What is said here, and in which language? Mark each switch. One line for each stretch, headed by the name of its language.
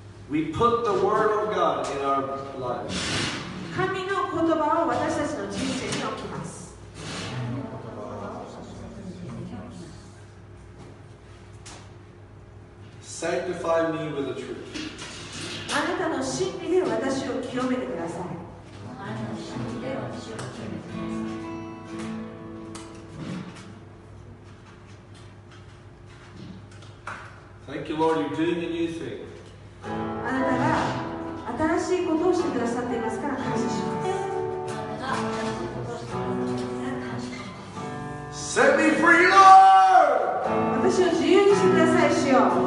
English: We put the word of God in our lives.
Japanese: 神の言葉を私たちの人生に置きます。
English: Sanctify me with the truth.
Japanese: あなたの真理で私を清めてください。
English: Thank you, Lord, you're doing a new thing.
Japanese: あなたが新しいことをしてくださっていますから感謝します。
English: Set me free, Lord!
Japanese: 私を自由にしてください、主よ。